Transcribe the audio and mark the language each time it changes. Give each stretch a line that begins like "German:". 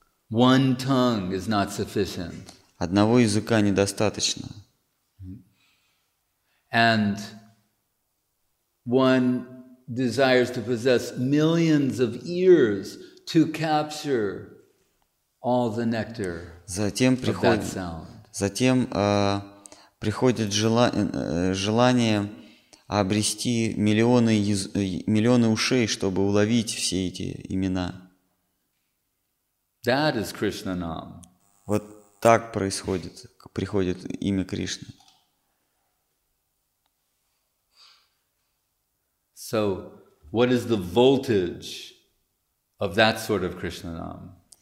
English: One tongue is not sufficient.
Russian: Одного языка недостаточно.
English: And one desires to possess millions of ears to capture all the nectar of that sound.
Russian: Затем приходит желание обрести миллионы ушей, чтобы уловить все эти имена.
English: That is Krishna Nam.
Russian: Вот так происходит, приходит имя Кришны.
English: So, what is the voltage of that sort of Krishna Nam?